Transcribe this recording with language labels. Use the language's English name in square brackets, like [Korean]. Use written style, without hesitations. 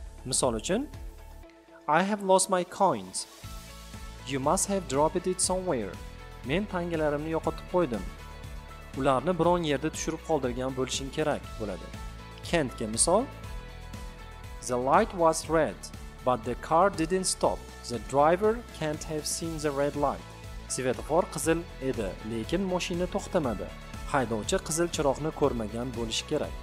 [Uzbek] Misol uchun, [English] I have lost my coins. You must have dropped it somewhere. [Uzbek] Men tangalarimni yo'qotib qo'ydim. Ularni biron yerda tushirib qoldirgan bo'lishing kerak bo'ladi. Can't'ga misol, [English] The light was red, but the car didn't stop. The driver can't have seen the red light. [Uzbek] Svetofor qizil edi, lekin mashina to'xtamadi. Haydovchi qizil chiroqni ko'rmagan bo'lishi kerak.